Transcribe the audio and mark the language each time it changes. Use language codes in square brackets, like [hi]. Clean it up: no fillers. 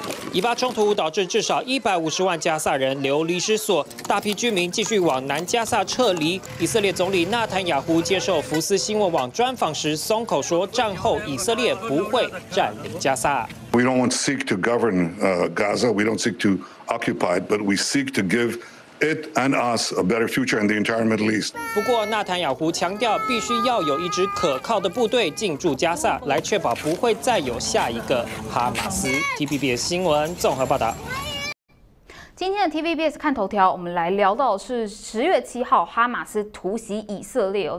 [zh] 以巴冲突导致至少150万加萨人流离失所，大批居民继续往南加萨撤离。以色列总理纳坦雅胡接受福斯新闻网专访时松口说，战后以色列不会占领加萨。 [en] We don't seek to govern Gaza. We don't seek to occupy it, but we seek to give it and us a better future in the entire Middle East. [zh] 不过，纳坦雅胡强调，必须要有一支可靠的部队进驻加萨，来确保不会再有下一个哈马斯。 TVBS 新闻综合报道。今天的 TVBS 看头条，我们来聊到的是10月7号哈马斯突袭以色列哦。